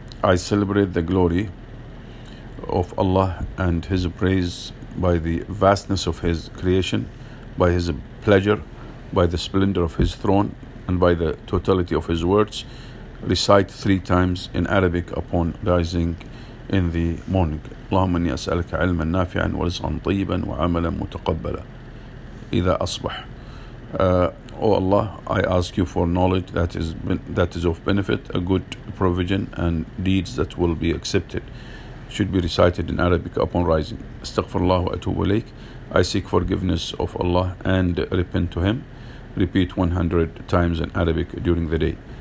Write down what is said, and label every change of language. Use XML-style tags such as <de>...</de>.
<en>I celebrate the glory of Allah and His praise by the vastness of His creation, by His pleasure, by the splendor of His throne, and by the totality of His words. Recite 3 times in Arabic upon rising in the morning.</en> <ar>اللهم إني أسألك علما نافعا ورزقا طيبا وعملا متقبلا إذا أصبح.</ar> <en>Oh Allah, I ask You for knowledge that is of benefit, a good provision, and deeds that will be accepted. Should be recited in Arabic upon rising.</en> <ar>Astaghfirullah wa atubu ilayk.</ar> <en>I seek forgiveness of Allah and repent to Him. Repeat 100 times in Arabic during the day.</en>